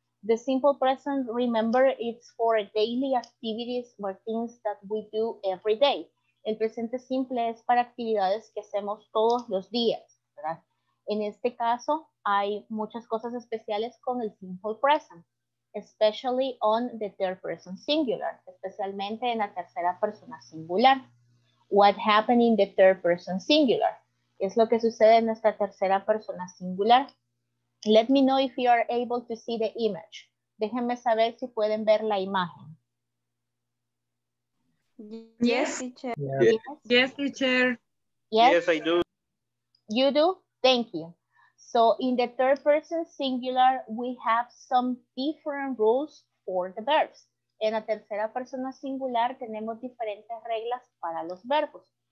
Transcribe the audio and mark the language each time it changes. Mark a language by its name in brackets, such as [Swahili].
[English] The simple present, remember, it's for daily activities or things that we do every day. [Spanish] El presente simple es para actividades que hacemos todos los días, ¿verdad? En este caso, hay muchas cosas especiales con el simple present, [English] especially on the third person singular, [Spanish] especialmente en la tercera persona singular. [English] What happened in the third person singular? [Spanish] ¿Qué es lo que sucede en nuestra tercera persona singular? [English] Let me know if you are able to see the image. [Spanish] Déjenme saber si pueden ver la imagen. [English] Yes, yes, teacher. Yes. Yes, teacher. Yes. Yes, I do. You do? Thank you. So in the third person singular, we have some different rules for the verbs. [Spanish] En la tercera persona singular, tenemos diferentes reglas para los verbos.